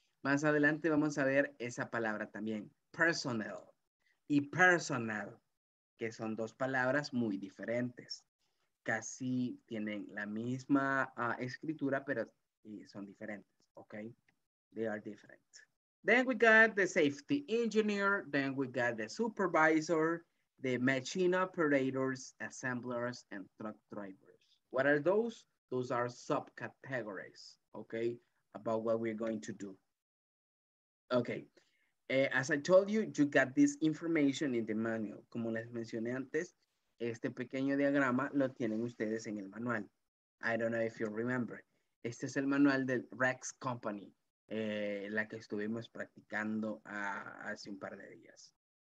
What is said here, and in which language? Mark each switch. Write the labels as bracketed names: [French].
[Spanish] Más adelante vamos a ver esa palabra también, personnel y personal, que son dos palabras muy diferentes. Casi tienen la misma escritura, pero son diferentes, okay? [English] They are different. Then we got the safety engineer, then we got the supervisor, the machine operators, assemblers, and truck drivers. What are those? Those are subcategories, okay? About what we're going to do. Okay, as I told you, you got this information in the manual. [Spanish] Como les mencioné antes, este pequeño diagrama lo tienen ustedes en el manual. [English] I don't know if you remember. [Spanish] Este es el manual del Rex Company, la que estuvimos practicando hace un par de días.